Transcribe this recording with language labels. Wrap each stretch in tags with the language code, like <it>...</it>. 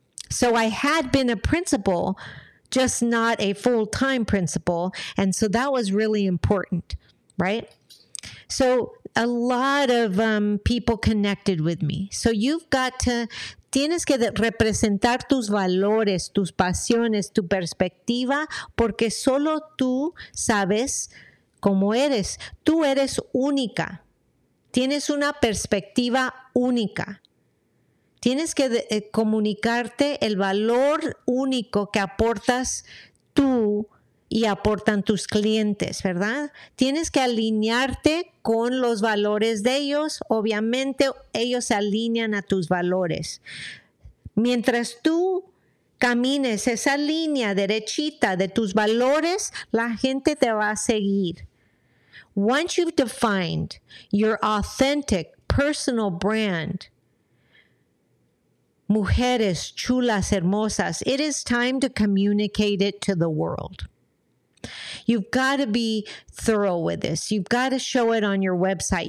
<en>So I had been a principal, just not a full-time principal. And so that was really important, right? So a lot of people connected with me. So you've got to...</en> <es>Tienes que representar tus valores, tus pasiones, tu perspectiva, porque solo tú sabes cómo eres. Tú eres única. Tienes una perspectiva única. Tienes que comunicarte el valor único que aportas tú y aportan tus clientes, ¿verdad? Tienes que alinearte con los valores de ellos. Obviamente, ellos se alinean a tus valores. Mientras tú camines esa línea derechita de tus valores, la gente te va a seguir.</es> <en>Once you've defined your authentic personal brand,</en> <es>mujeres chulas hermosas,</es> <en>it is time to communicate it to the world. You've got to be thorough with this. You've got to show it on your website.</en>